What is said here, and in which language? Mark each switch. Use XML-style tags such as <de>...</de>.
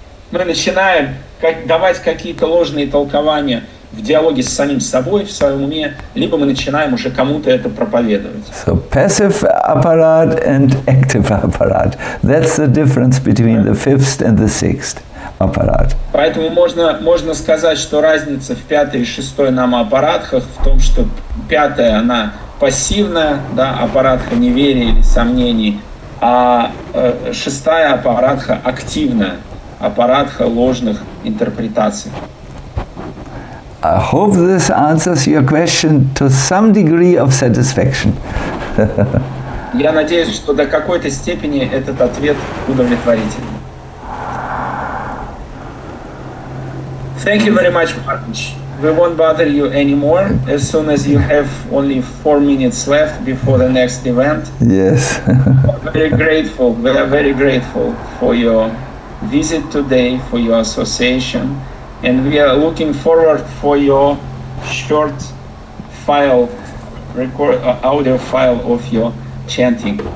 <ru>Мы начинаем давать какие-то ложные толкования в диалоге с самим собой, в своем уме, либо мы начинаем уже кому-то это проповедовать.</ru> <en>So passive apparat and active apparat. That's the difference between the fifth and the sixth apparat.</en> <ru>Поэтому можно сказать, что разница в пятой и шестой нам аппаратах в том, что пятая, она пассивная, да, аппаратка неверия или сомнений, а шестая аппаратка активная. Аппаратха ложных интерпретаций.</ru> <en>I hope this answers your question to some degree of satisfaction.</en> <ru>Я надеюсь, что до какой-то степени этот ответ удовлетворительный.</ru> <en>Thank you very much, Martin. We won't bother you anymore as soon as you have only 4 minutes left before the next event. Yes. We are very grateful for your visit today, for your association, and we are looking forward for your short file record audio file of your chanting.</en>